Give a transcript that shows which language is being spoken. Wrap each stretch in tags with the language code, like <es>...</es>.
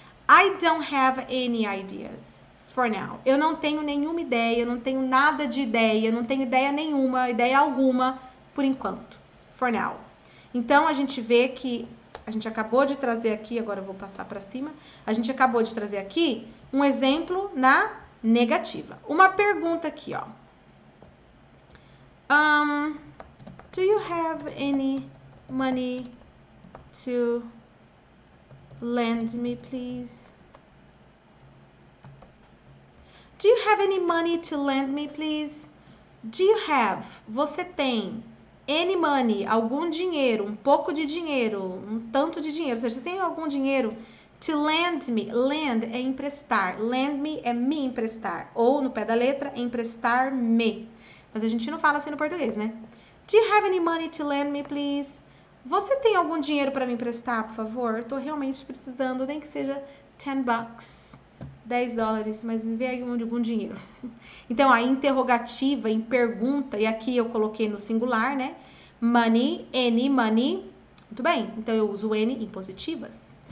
<en>I don't have any ideas for now.</en> <pt>Eu não tenho nenhuma ideia, não tenho nada de ideia, não tenho ideia nenhuma, ideia alguma. Por enquanto,</pt> <en>for now.</en> <pt>Então a gente vê que a gente acabou de trazer aqui, agora eu vou passar para cima. A gente acabou de trazer aqui um exemplo na negativa. Uma pergunta aqui, ó.</pt> <en>Do you have any money to lend me, please? Do you have any money to lend me, please? Do you have?</en> <pt>Você tem any money, algum dinheiro, um pouco de dinheiro, um tanto de dinheiro. Ou seja, você tem algum dinheiro to lend me? Lend é emprestar. Lend me é me emprestar. Ou, no pé da letra, emprestar-me. Mas a gente não fala assim no português, né?</pt> <en>Do you have any money to lend me, please?</en> <pt>Você tem algum dinheiro para me emprestar, por favor? Estou realmente precisando, nem que seja 10 bucks, 10 dólares, mas me vê aí algum dinheiro. Então, a interrogativa em pergunta, e aqui eu coloquei no singular, né? Money, any money. Muito bem, então eu uso o N em positivas.</pt>